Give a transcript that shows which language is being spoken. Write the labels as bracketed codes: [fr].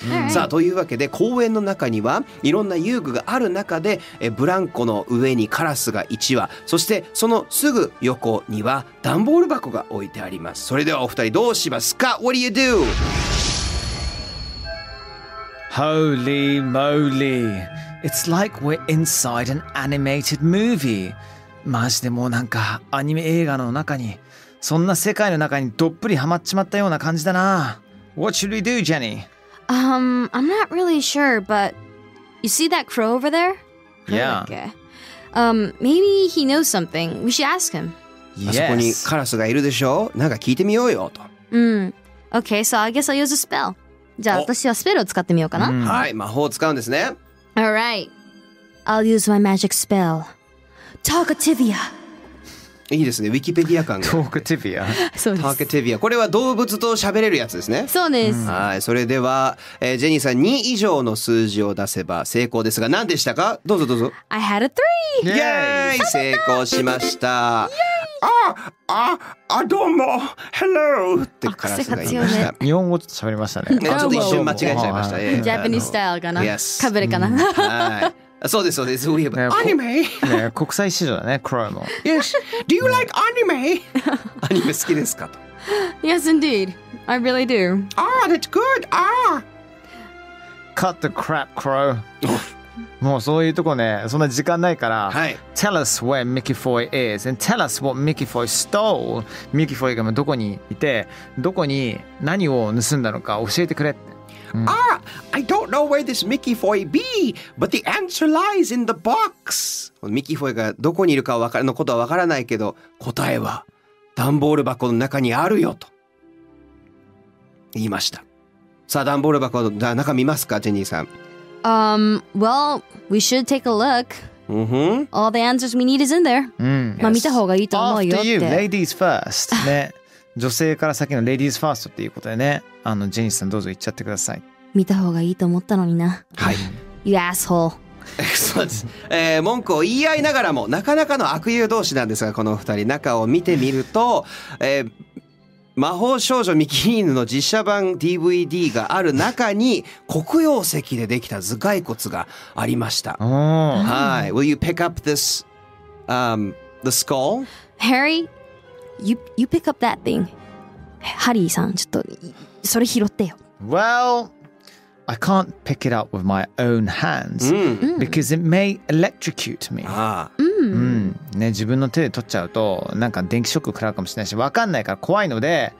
[ja] うん、さあ、というわけで公園の中にはいろんな遊具がある中で、ブランコの上にカラスが1羽、そしてそのすぐ横には段ボール箱が置いてあります。それではお二人どうしますか ? [en] What do you do? Holy moly! It's like we're inside an animated movie! [ja] マジでもうなんかアニメ映画の中に、そんな世界の中にどっぷりハマっちまったような感じだな。 [en] What should we do, Jenny? I'm not really sure, but you see that crow over there? Yeah. Maybe he knows something. We should ask him. Yes. [ja] あそこにカラスがいるでしょ?なんか聞いてみようよと。うん。 [en] Okay, so I guess I'll use a spell. [ja] じゃあ私はスペルを使ってみようかな。はい、魔法を使うんですね。 [en] All right, I'll use my magic spell Talkativia。 [ja] いいですね、ウィキペディア感が。 [en] Talkativia、 [ja] そうです、 Talkativia、 これは動物と喋れるやつですね。そうです。はい、それでは、ジェニーさん2以上の数字を出せば成功ですが、何でしたか。どうぞどうぞ。 [en] I had a 3。 [ja] イエーイ、成功しました。イエーイ。あ、どうも、 [en] Hello [ja] ってカラスが言いました。ね、日本語と喋りましたね。ちょっと一瞬間違えちゃいました。ジャパニーズスタイルかな。 [en] Yes。 [ja] かぶれかな。はい。そうですそうです。アニメ。国際市場だね、クロも。 [en] Yes。 Do you like anime? [ja] アニメ好きですかと。 [en] Yes, indeed. I really do. Ah, that's good. Ah. Cut the crap, crow. [ja] もうそういうとこね、そんな時間ないから、はい、 [en] Tell us where Mickey Foy is and tell us what Mickey Foy stole. [ja] Mickey Foy がどこにいて、どこに何を盗んだのか教えてくれって。 [en] うん、ah, I don't know where this Mickey Foy be, but the answer lies in the box. [ja] Mickey Foy がどこにいるかわかるのことはわからないけど、答えは段ボール箱の中にあるよと言いました。さあ、段ボール箱の中見ますか、ジェニーさん。 [en] Well, we should take a look.、 Mm-hmm. All the answers we need is in there.、 Mm, [ja] まあ、見た方がいいと思うよって。 [en] After you, ladies first. [ja] ね、女性から先の [en] ladies first [ja] っていうことでね。あのジェニーさんどうぞ言っちゃってください。見た方がいいと思ったのにな。はい。 [en] You asshole. [ja] そうです、文句を言い合いながらもなかなかの悪友同士なんですが、この二人中を見てみると、魔法少女ミキリーヌの実写版 DVD がある中に黒曜石でできた頭蓋骨がありました。はい。 [en] Will you pick up this、the skull? Harry, you pick up that thing. [ja] ハリーさん、ちょっとそれ拾ってよ。 [en] WellI can't pick it up with my own hands、 mm. because it may electrocute me. Ah. Mm. Mm. [ja] ね、自分の手で取っちゃうとなんか電気ショック食らうかもしれないし、わかんないから怖いので、